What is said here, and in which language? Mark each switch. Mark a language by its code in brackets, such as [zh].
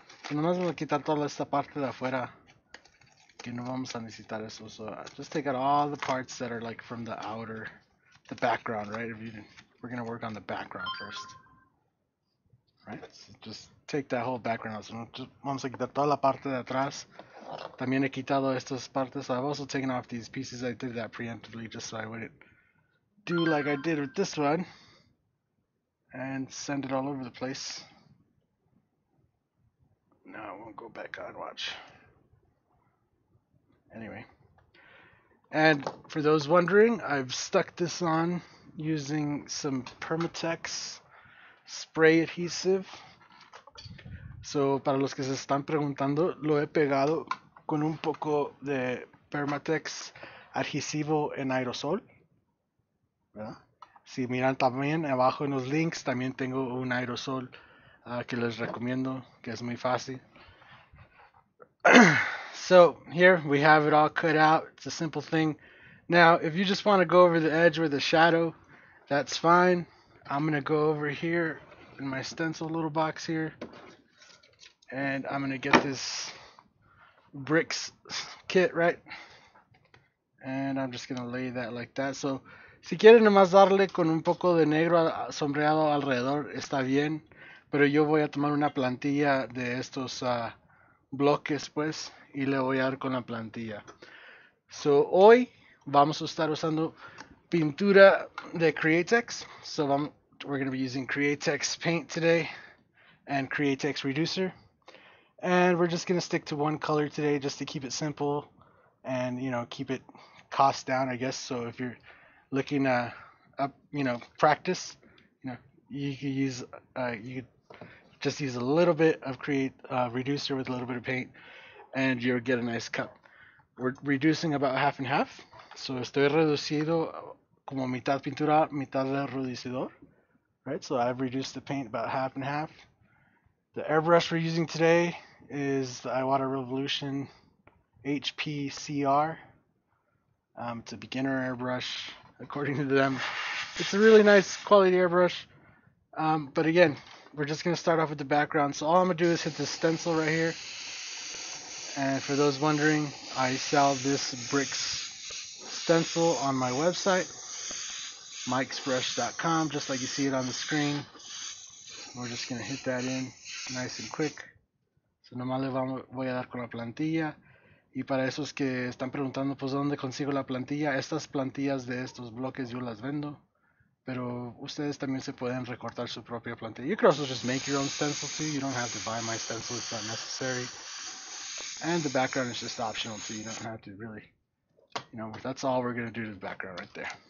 [es] Nomás vamos a quitar toda esta parte de afuera. Que no vamos a necesitar eso. [en] So just take out all the parts that are like from the outer, the background, right? If you didn't, we're gonna work on the background first, right? So just take that whole background out. [es] So vamos a quitar toda la parte de atrás. También he quitado estas partes. [en] I've also taken off these pieces. I did that preemptively just so I wouldn't do like I did with this one and send it all over the place. No, I won't go back on, watch. Anyway, and for those wondering, I've stuck this on using some Permatex spray adhesive. [es] So para los que se están preguntando, lo he pegado con un poco de Permatex adhesivo en aerosol. ¿verdad? Sí, miran también abajo en los links, también tengo un aerosol que les recomiendo, que es muy fácil. [en] So here we have it all cut out. It's a simple thing. Now, if you just want to go over the edge with a shadow, that's fine. I'm gonna go over here in my stencil little box here, and I'm gonna get this bricks kit, right? And I'm just gonna lay that like that. [es] So, si quieren nomás darle con un poco de negro sombreado alrededor, está bien. Pero yo voy a tomar una plantilla de estos bloques, pues, y le voy a dar con la plantilla. So, hoy vamos a estar usando pintura de Createx. [en] So, we're gonna be using Createx paint today and Createx reducer. And we're just gonna stick to one color today just to keep it simple and, you know, keep it cost down, I guess. So if you're looking up, you know, practice, you know, you could just use a little bit of reducer with a little bit of paint and you'll get a nice cup. We're reducing about half and half. [es] So estoy reducido como mitad pintura, mitad reducidor. [en] Right, so I've reduced the paint about half and half. The airbrush we're using today is the Iwata Revolution HPCR. It's a beginner airbrush, according to them. It's a really nice quality airbrush. But again, we're just gonna start off with the background. So all I'm gonna do is hit this stencil right here. And for those wondering, I sell this bricks stencil on my website, mikesbrush.com, just like you see it on the screen. We're just gonna hit that in nice and quick. [es] So nomás voy a dar con la plantilla. Y para esos que están preguntando, pues, ¿dónde consigo la plantilla? Estas plantillas de estos bloques yo las vendo. Pero ustedes también se pueden recortar su propia plantilla. [en] You can also just make your own stencil too. You don't have to buy my stencil. It's not necessary. And the background is just optional too. You don't have to really, you know, that's all we're going to do to the background right there.